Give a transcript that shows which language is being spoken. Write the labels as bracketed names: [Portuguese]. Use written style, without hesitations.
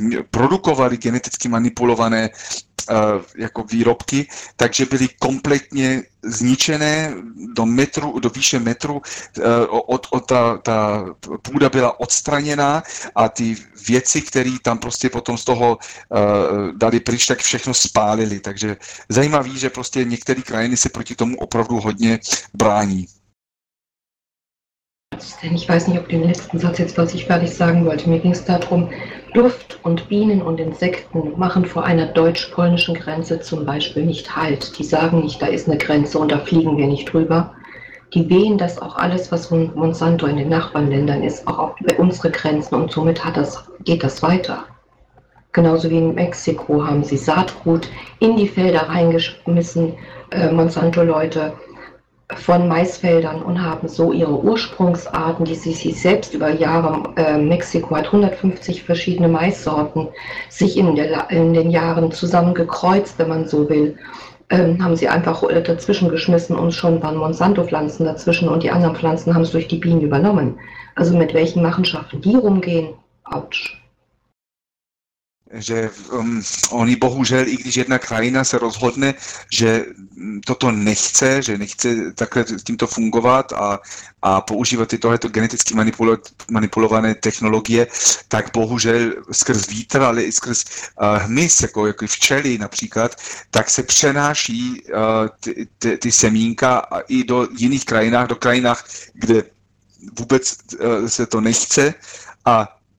[Czech] produkovali geneticky manipulované jako výrobky, takže byly kompletně zničené do metru, do výše metru, ta půda byla odstraněná a ty věci, které tam prostě potom z toho dali pryč, tak všechno spálili. Takže zajímavý, že prostě některé krajiny se proti tomu opravdu hodně brání. [German] Ich weiß nicht, ob den letzten Satz jetzt, was ich fertig sagen wollte. Mir ging es darum, Duft und Bienen und Insekten machen vor einer deutsch-polnischen Grenze zum Beispiel nicht Halt. Die sagen nicht, da ist eine Grenze und da fliegen wir nicht drüber. Die wehen, dass auch alles, was von Monsanto in den Nachbarländern ist, auch über unsere Grenzen und somit geht das weiter. Genauso wie in Mexiko haben sie Saatgut in die Felder reingeschmissen, Monsanto-Leute, von Maisfeldern und haben so ihre Ursprungsarten, die sie sich selbst über Jahre, Mexiko hat 150 verschiedene Maissorten, sich in den Jahren zusammengekreuzt, wenn man so will, haben sie einfach dazwischen geschmissen und schon waren Monsanto-Pflanzen dazwischen und die anderen Pflanzen haben es durch die Bienen übernommen. Also mit welchen Machenschaften die rumgehen? Autsch. [Czech] Že oni bohužel, i když jedna krajina se rozhodne, že toto nechce, že nechce takhle s tímto fungovat a používat i tohleto geneticky manipulované technologie, tak bohužel skrz vítr, ale i skrz hmyz, jako včely například, tak se přenáší ty semínka i do jiných krajinách, do krajinách, kde vůbec se to nechce a